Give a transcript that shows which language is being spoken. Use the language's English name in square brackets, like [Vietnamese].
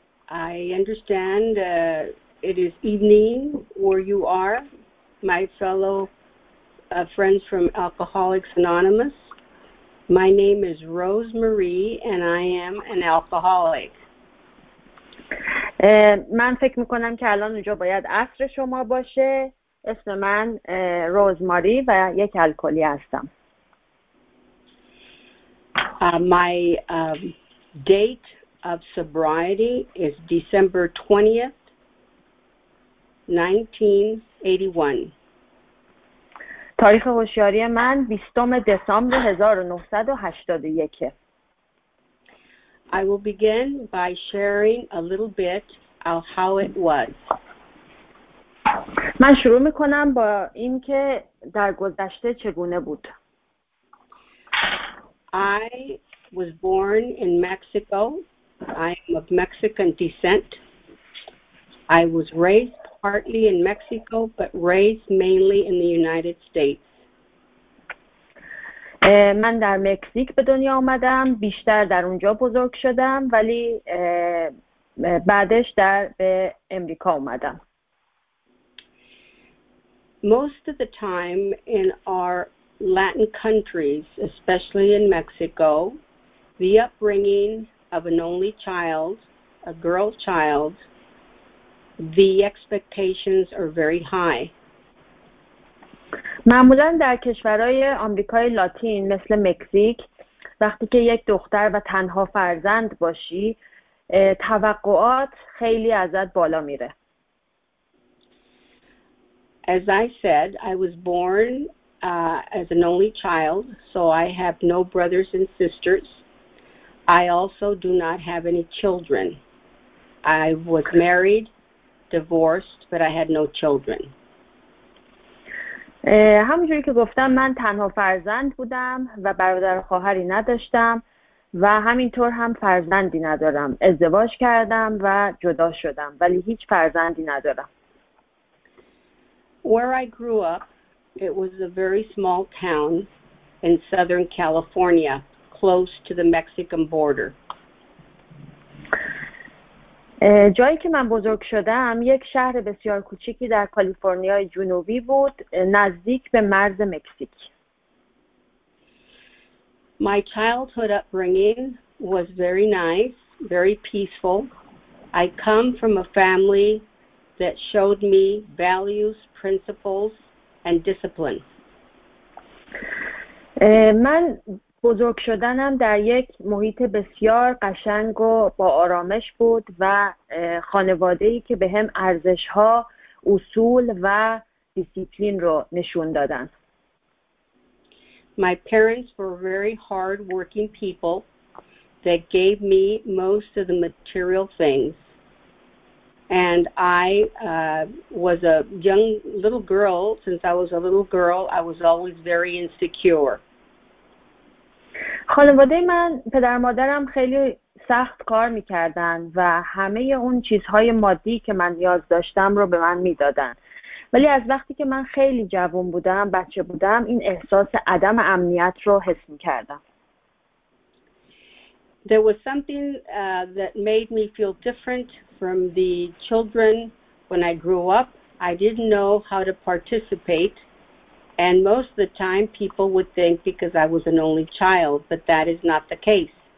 [English] I understand it is evening where you are, my fellow friends from Alcoholics Anonymous. My name is Rose Marie and I am an alcoholic. [Persian] من فکر میکنم که الان اونجا باید عصر شما باشه. اسم من روز ماری و یک الکلی هستم. [English] My date of sobriety is December 20th, 1981. [Persian] تاریخ هوشیاری من 20 دسامبر 1981. [English] I will begin by sharing a little bit of how it was. [Persian] من شروع میکنم با اینکه در گذشته چگونه بود. [English] I was born in Mexico. I am of Mexican descent. I was raised partly in Mexico, but raised mainly in the United States. [Persian] من در مکزیک به دنیا آمدم، بیشتر در اونجا بزرگ شدم، ولی بعدش در به امریکا آمدم. [English] Most of the time in our Latin countries, especially in Mexico, the upbringing of an only child, a girl child, the expectations are very high. [Persian] معمولا در کشورهای آمریکای لاتین مثل مکزیک وقتی که یک دختر و تنها فرزند باشی توقعات خیلی ازت بالا میره. [English] As I said, I was born as an only child, so I have no brothers and sisters. I also do not have any children. I was married, divorced, but I had no children. [Persian] همونجوری که گفتم من تنها فرزند بودم و برادر و خواهری نداشتم و همینطور هم فرزندی ندارم. ازدواج کردم و جدا شدم ولی هیچ فرزندی ندارم. [English] Where I grew up, it was a very small town in Southern California, close to the Mexican border. [Persian] جایی که من بزرگ شدم یک شهر بسیار کوچیکی در کالیفرنیای جنوبی بود، نزدیک به مرز مکزیک. [English] My childhood upbringing was very nice, very peaceful. I come from a family that showed me values, principles and discipline. [Persian] من بزرگ شدنم در یک محیط بسیار قشنگ و با آرامش بود و خانواده‌ای که به هم ارزش‌ها، اصول و دیسیپلین رو نشون دادن. [English] My parents were very hard working people that gave me most of the material things. And I was a young little girl. Since I was a little girl, I was always very insecure. [Persian] خانواده من، پدر مادرم خیلی سخت کار می‌کردند و همه اون چیزهای مادی که من نیاز داشتم رو به من می‌دادند. ولی از وقتی که من خیلی جوان بودم، بچه بودم، این احساس عدم امنیت رو حس می‌کردم. [English] There was something that made me feel different from the children when I grew up. I didn't know how to participate, and most of the time people would think because I was an only child, but that is not the case.